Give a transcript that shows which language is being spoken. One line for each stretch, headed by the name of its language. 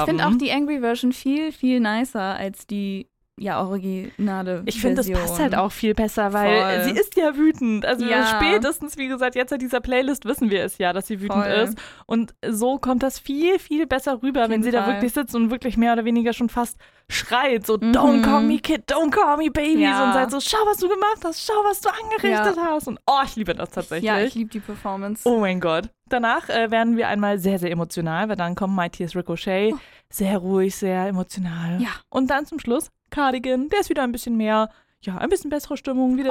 German: Ich finde auch die Angry Version viel, viel nicer als die originale Version. Ich finde, das passt halt auch viel besser, weil sie ist ja wütend. Also spätestens, wie gesagt, jetzt in dieser Playlist wissen wir es ja, dass sie wütend ist. Und so kommt das viel, viel besser rüber, wenn sie da wirklich sitzt und wirklich mehr oder weniger schon fast schreit.
English: So, don't call me kid, don't call me baby.
German: Ja. Und sagt so, schau, was du gemacht hast, schau, was du angerichtet hast. Und ich liebe das tatsächlich. Ja, ich liebe die Performance. Oh mein Gott. Danach werden wir einmal sehr, sehr emotional, weil dann kommen My Tears Ricochet. Oh. Sehr ruhig, sehr emotional. Ja. Und dann zum Schluss Cardigan, der ist wieder ein bisschen mehr, ja, ein bisschen bessere Stimmung, wieder